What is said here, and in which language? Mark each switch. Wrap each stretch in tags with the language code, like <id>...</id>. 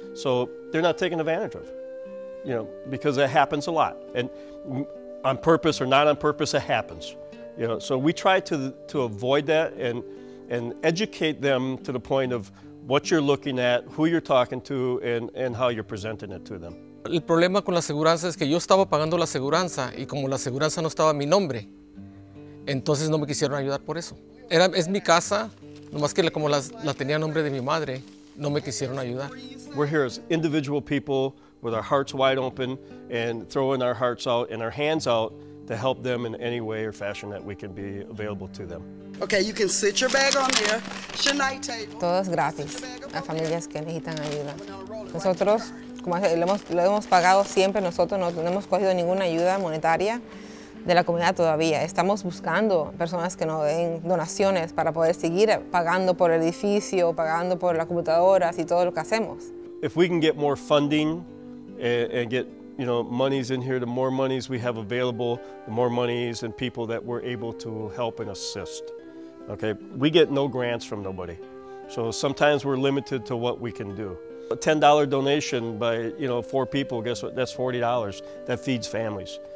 <en>So they're not taken advantage of, you know, because it happens a lot. And on purpose or not on purpose, it happens. You know, so we try to avoid that and educate them to the point of what you're looking at, who you're talking to, and how you're presenting it to them.</en> <es>El problema con la aseguranza es que yo estaba pagando la aseguranza y como la aseguranza no estaba a mi nombre, entonces no me quisieron ayudar por eso. Es mi casa, nomás que como la tenía a nombre de mi madre, no me quisieron ayudar.</es> <en>We're here as individual people with our hearts wide open and throwing our hearts out and our hands out to help them in any way or fashion that we can be available to them. Okay, you can sit your bag on there. It's your night table.</en> <es>Todo es gratis a familias que necesitan ayuda. Nosotros, como lo hemos pagado siempre, nosotros no hemos cogido ninguna ayuda monetaria de la comunidad todavía. Estamos buscando personas que nos den donaciones para poder seguir pagando por el edificio, pagando por las computadoras y todo lo que hacemos.</es> <en>If we can get more funding and get, you know, monies in here, the more monies we have available, the more monies and people that we're able to help and assist. Okay, we get no grants from nobody. So sometimes we're limited to what we can do. A $10 donation by, you know, four people, guess what, that's $40 that feeds families.</en>